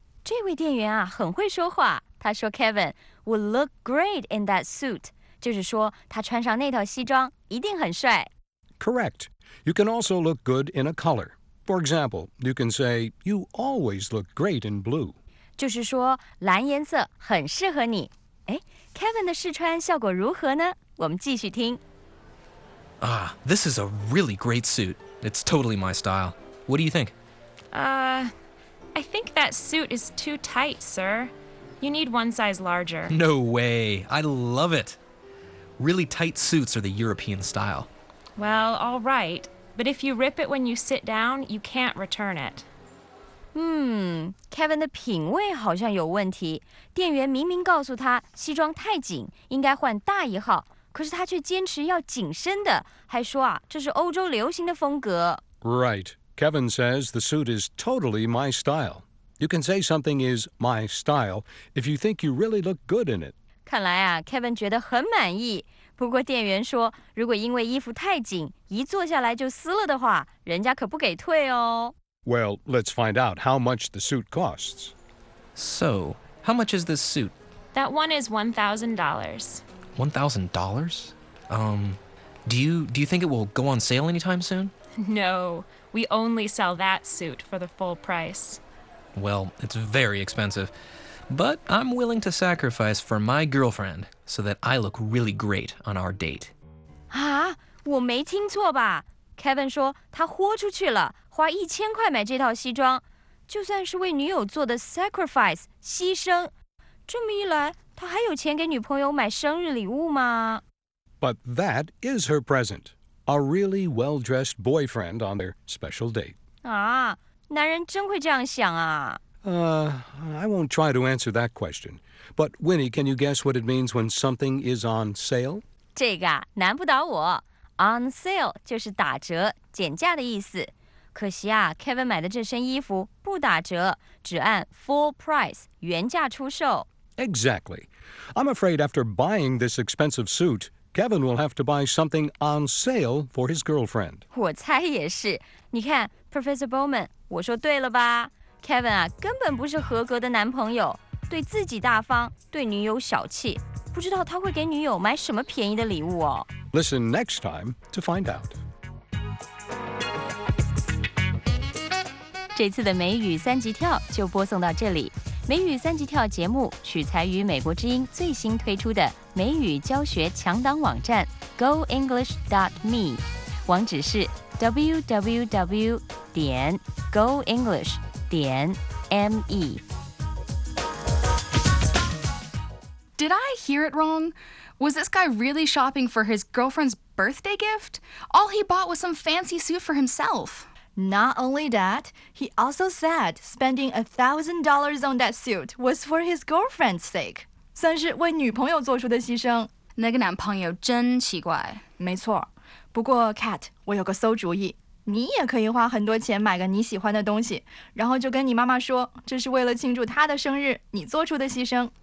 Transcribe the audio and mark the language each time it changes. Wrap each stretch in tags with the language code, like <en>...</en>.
<zh>这位店员啊，很会说话。他说</zh> <en>Kevin would look great in that suit,</en> <zh>就是说他穿上那套西装一定很帅。</zh> <en>Correct. You can also look good in a color. For example, you can say, you always look great in blue.</en> <zh>就是说蓝颜色很适合你。哎， Kevin 的试穿效果如何呢？我们继续听。</zh> <en>Ah, this is a really great suit. It's totally my style. What do you think? I think that suit is too tight, sir. You need one size larger. No way. I love it. Really tight suits are the European style. Well, all right. But if you rip it when you sit down, you can't return it.</en> <zh>Kevin 的品味好像有问题。店员明明告诉他西装太紧，应该换大一号，可是他却坚持要紧身的，还说啊，这是欧洲流行的风格。</zh> <en>Right. Kevin says the suit is totally my style. You can say something is my style if you think you really look good in it.</en> <zh>看来啊 ,Kevin 觉得很满意。不过店员说，如果因为衣服太紧，一坐下来就撕了的话，人家可不给退哦。</zh> <en>Well, let's find out how much the suit costs. So, how much is this suit? That one is $1,000. $1,000? Do you think it will go on sale anytime soon? No, we only sell that suit for the full price. Well, it's very expensive. But I'm willing to sacrifice for my girlfriend so that I look really great on our date.</en> <zh>啊，我没听错吧？Kevin 说他豁出去了，花1000块买这套西装，就算是为女友做的 sacrifice 牺牲。这么一来，他还有钱给女朋友买生日礼物吗？</zh> <en>But that is her present, a really well-dressed boyfriend on their special date.</en> <zh>啊，男人真会这样想啊。</zh> <en>I won't try to answer that question. But Winnie, can you guess what it means when something is on sale?</en> <zh>这个难不倒我。On sale 就是打折、减价的意思。可惜啊 ，Kevin 买的这身衣服不打折，只按 full price 原价出售。</zh> <en>Exactly. I'm afraid after buying this expensive suit, Kevin will have to buy something on sale for his girlfriend.</en> <zh>我猜也是。你看 ，Professor Bowman， 我说对了吧？ Kevin 啊，根本不是合格的男朋友，对自己大方，对女友小气，不知道他会给女友买什么便宜的礼物哦。</zh> <en>Listen next time to find out.</en> <zh>这次的美语三级跳就播送到这里。美语三级跳节目取材于美国之音最新推出的美语教学强档网站 goenglish.me， 网址是 www.goenglish.me.</zh> <en>Did I hear it wrong? Was this guy really shopping for his girlfriend's birthday gift? All he bought was some fancy suit for himself. Not only that, he also said spending $1,000 on that suit was for his girlfriend's sake.</en> <zh>算是为女朋友做出的牺牲。那个男朋友真奇怪。没错。不过 Kat, 我有个馊主意。你也可以花很多钱买个你喜欢的东西，然后就跟你妈妈说，这是为了庆祝她的生日，你做出的牺牲。</zh>